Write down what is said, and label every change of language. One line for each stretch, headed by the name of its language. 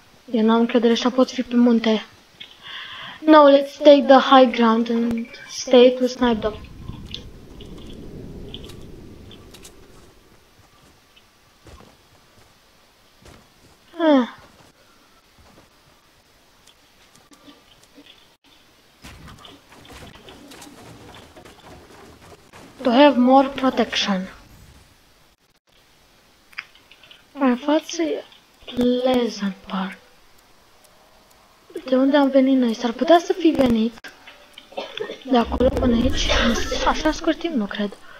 Romanian: Eu n-am încredere, așa pot fi pe munte.
English: No, let's take the high ground and stay to snipe them. To have more protection.
Romanian: Mai față e Pleasant Park. De unde am venit noi? S-ar putea să fi venit de acolo până aici? Așa scurt timp, nu cred.